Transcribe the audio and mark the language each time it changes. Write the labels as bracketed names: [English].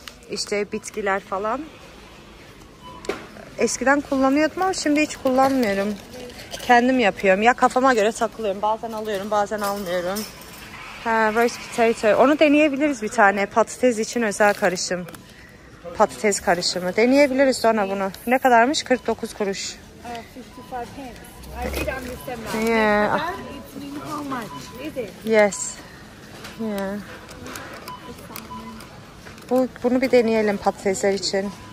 [Turkish] İşte bitkiler falan. Eskiden kullanıyordum ama şimdi hiç kullanmıyorum. Kendim yapıyorum. Ya kafama göre takılıyorum. Bazen alıyorum, bazen almıyorum. Ha, roast potato. Onu deneyebiliriz bir tane. Patates için özel karışım. Patates karışımı. Deneyebiliriz sonra bunu. Ne kadarmış? 49 kuruş. [English] 55 pence. I did understand that. Yeah. Yes. Yeah. [Turkish] Bunu bir deneyelim patatesler için.